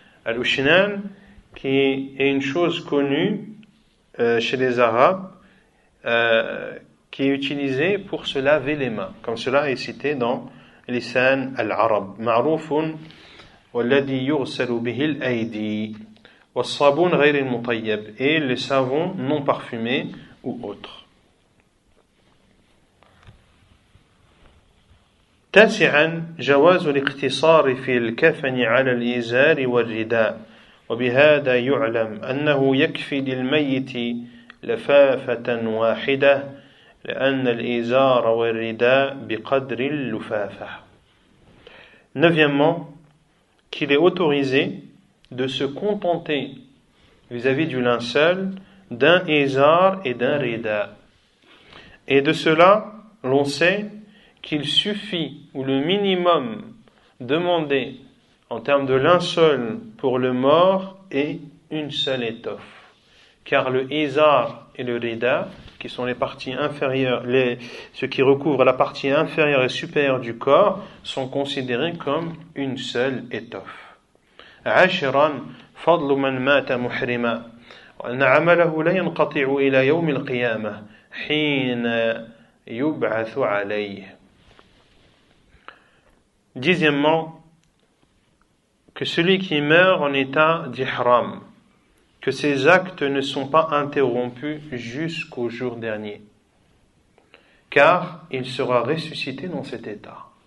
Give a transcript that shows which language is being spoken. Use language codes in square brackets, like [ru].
[fr] Al-ushnan, qui est une chose connue chez les Arabes, qui est utilisée pour se laver les mains, comme cela est cité dans لسان العرب [ar] معروف والذي يغسل به الأيدي والصابون غير المطيب [fr] et les savons non parfumés ou autres. [ar] تاسعا جواز الاقتصار في الكفن على الإزار والرداء وبهذا يعلم أنه يكفي للميت لفافة واحدة لأن الإزار والرداء بقدر اللفافة. [fr] Neuvièmement, qu'il est autorisé de se contenter vis-à-vis du linceul d'un ézar et d'un rida. Et de cela, l'on sait qu'il suffit, ou le minimum demandé en termes de linceul pour le mort est une seule étoffe. Car le ézar et le rida, qui sont les parties inférieures, ce qui recouvre la partie inférieure et supérieure du corps, sont considérés comme une seule étoffe. [ar] عشرا فضل من مات محرما وأن عمله لا ينقطع إلى يوم القيامة حين يبعث عليه. [fr] Dixièmement, que celui qui meurt en état d'ihram, que ses actes ne sont pas interrompus jusqu'au jour dernier, car il sera ressuscité dans cet état.